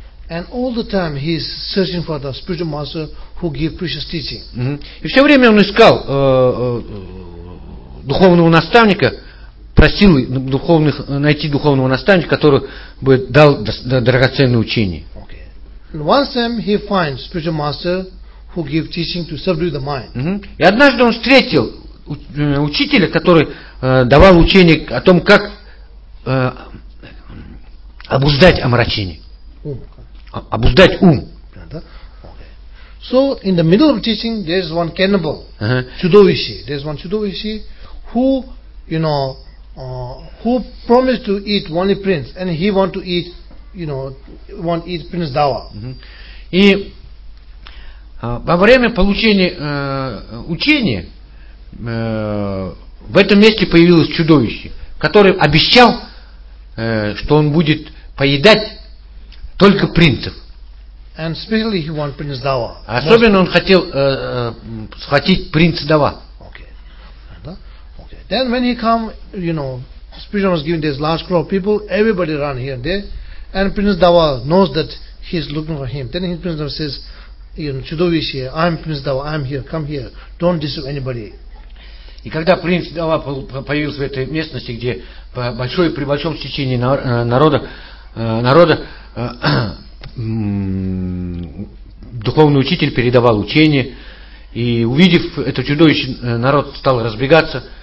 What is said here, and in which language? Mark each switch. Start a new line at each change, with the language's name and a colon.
English: And all the time he is searching for the spiritual master who give precious teaching. Mm-hmm.
Russian: И все время он искал духовного наставника, просил найти духовного наставника, который бы дал драгоценное учение.
English: Okay. And one time he finds spiritual master who give teaching to subdue the mind. Mm-hmm.
Russian: И однажды он встретил учителя, который давал учение о том, как обуздать омрачение. обуздать ум.
English: So in the middle of teaching, there is one cannibal, чудовище. There is one чудовище who, you know, who promised to eat only prince, and he want to eat, you know, want to eat prince Dawa.
Russian: И во время получения учения в этом месте появилось чудовище, который обещал, что он будет поедать только принцев.
English: And especially he want prince Dawa.
Russian: Особенно он хотел схватить принца Дава.
English: Okay. Okay. Then when he come, you know, Spirit was given this large crowd of people, everybody run here and there, and prince Dawa knows that he is looking for him. Then his prince Dawa says, you know, чудовище, I'm prince Dawa, I'm here, come here, don't disturb anybody.
Russian: И когда принц Дава появился в этой местности, где большое при большом стечении народа духовный учитель передавал учение, и увидев это чудовище, народ стал разбегаться.